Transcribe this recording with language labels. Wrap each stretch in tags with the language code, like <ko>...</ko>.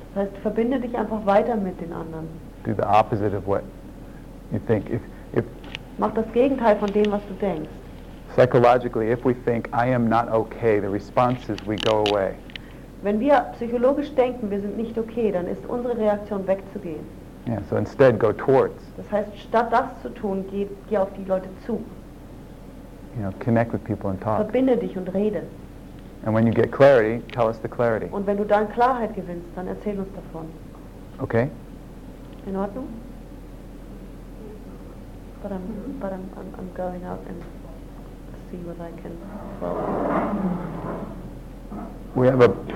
<de>Das heißt, verbinde dich einfach weiter mit den anderen.</de> <en>Do the opposite of what you think. If</en> <de>mach das Gegenteil von dem, was du denkst.</de> <en>Psychologically, if we think, I am not okay, the response is we go away.</en> <de>Wenn wir psychologisch denken, wir sind nicht okay, dann ist unsere Reaktion wegzugehen.</de> <en>Yeah, so instead go towards.</en> <de>Das heißt, statt das zu tun, geh auf die Leute zu.</de> <en>You know, connect with people and talk.</en> <de>Verbinde dich und rede.</de> <en>And when you get clarity, tell us the clarity.</en> <de>Und wenn du dann Klarheit gewinnst, dann erzähl uns davon.</de> <en>Okay.</en> <de>In Ordnung?</de> <en>But I'm going out and see what I can follow.</en>